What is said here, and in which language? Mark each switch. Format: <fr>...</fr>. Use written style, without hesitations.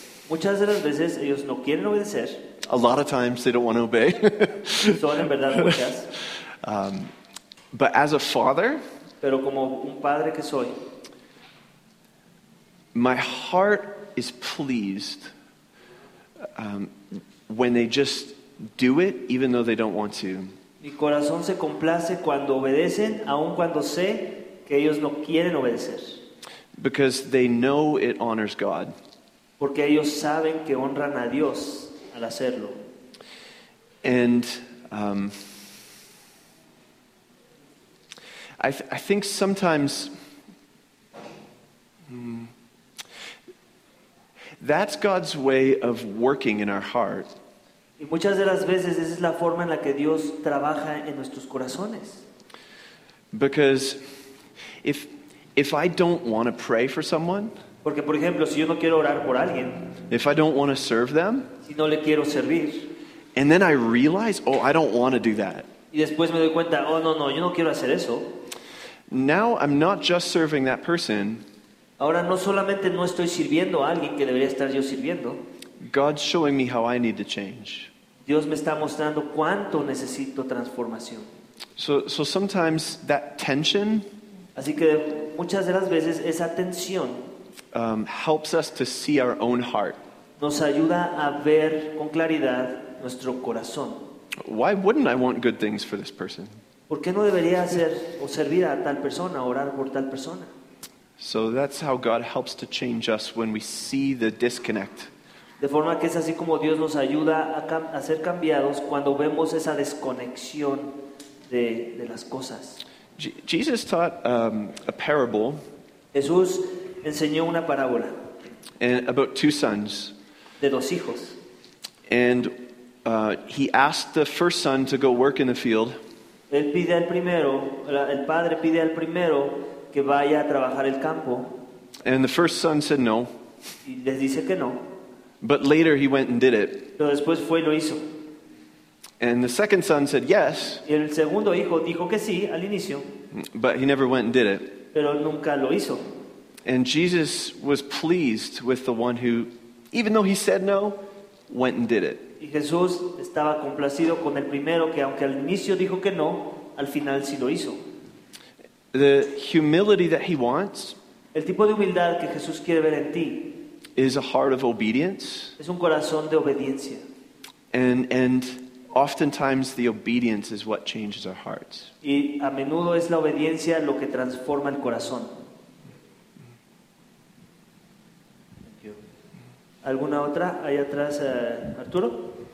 <es>Muchas de las veces ellos no quieren obedecer.</es> <en>A lot of times they don't want to obey.</en> <es>Son en verdad muchas.</es> <en>But as a father,</en> <es>pero como un padre que soy,</es> <en>my heart is pleased when they just do it, even though they don't want to.</en> <es>Mi corazón se complace cuando obedecen, aun cuando sé que ellos no quieren obedecer.</es> <en>Because they know it honors God.</en> <es>Porque ellos saben que honran a Dios al hacerlo.</es> <en>And I think sometimes that's God's way of working in our heart.</en> <es>Y muchas de las veces esa es la forma en la que Dios trabaja en nuestros corazones.</es> <en>Because if I don't want to pray for someone,</en> <es>porque por ejemplo, si yo no quiero orar por alguien,</es> <en>if I don't want to serve them,</en> <es>si no le quiero servir,</es> <en>and then I realize, oh, I don't want to do that.</en> <es>Y después me doy cuenta, oh, no, yo no quiero hacer eso.</es> <en>Now I'm not just serving that person.</en> <es>Ahora no solamente no estoy sirviendo a alguien que debería estar yo sirviendo.</es> <en>God's showing me how I need to change.</en> <es>Dios me está mostrando cuánto necesito transformación.</es> <en>So sometimes that tension,</en> <es>así que muchas de las veces esa tensión</es> <en>helps us to see our own heart.</en> <es>Nos ayuda a ver con claridad nuestro corazón.</es> <en>Why wouldn't I want good things for this person?</en> <es>¿Por qué no debería hacer o servir a tal persona, orar por tal persona?</es> <en>So that's how God helps to change us when we see the disconnect.</en> <es>De forma que es así como Dios nos ayuda a ser cambiados cuando vemos esa desconexión de las cosas.</es> <en>Jesus taught a parable.</en> <es>Jesús enseñó una parábola.</es> <en>And about two sons.</en> <es>De dos hijos.</es> <en>And he asked the first son to go work in the field.</en> <es>Él pide al primero, el padre pide al primero que vaya a trabajar el campo.</es> <en>And the first son said no.</en> <es>Y les dice que no.</es> <en>But later he went and did it.</en> <es>Pero después fue y lo hizo.</es> <en>And the second son said yes.</en> <es>Y el segundo hijo dijo que sí al inicio.</es> <en>But he never went and did it.</en> <es>Pero nunca lo hizo.</es> <en>And Jesus was pleased with the one who, even though he said no, went and did it.</en> <es>Y Jesús estaba complacido con el primero que aunque al inicio dijo que no, al final sí lo hizo.</es> <en>The humility that he wants,</en> <es>el tipo de humildad que Jesús quiere ver en ti,</es> <en>is a heart of obedience.</en> <es>Es un corazón de obediencia.</es> <en>And oftentimes the obedience is what changes our hearts.</en> <es>Y a menudo es la obediencia lo que transforma el corazón. ¿Alguna otra ahí atrás, Arturo?</es>